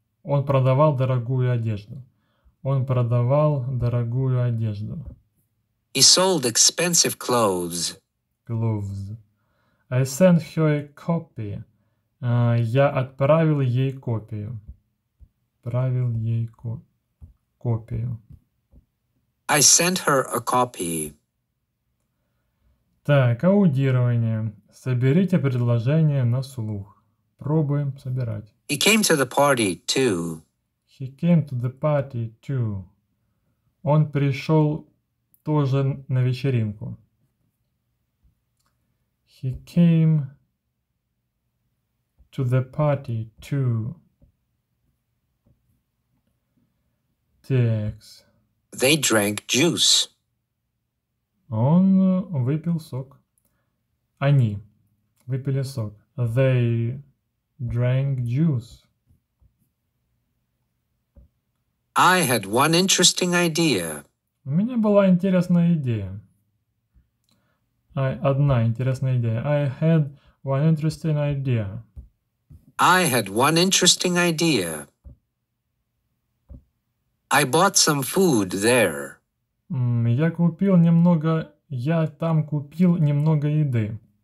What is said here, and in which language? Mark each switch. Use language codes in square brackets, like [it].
[ru] Он продавал дорогую одежду. Он продавал дорогую одежду. [en] He sold expensive clothes. Clothes. I sent her a copy. [ru] Я отправил ей копию. Отправил ей копию. [en] I sent her a copy. [ru] Так, аудирование. Соберите предложение на слух. Пробуем собирать. [en] He came to the party too. He came to the party too. [ru] Он пришел тоже на вечеринку. [en] He came to the party too. [ru] Так. [en] They drank juice. [ru] Он выпил сок. Они выпили сок. [en] They drank juice. I had one interesting idea. [ru] У меня была интересная идея. Одна интересная идея. [en] I had one interesting idea. I had one interesting idea. I bought some food there. [ru] Я купил немного... Я там купил немного еды.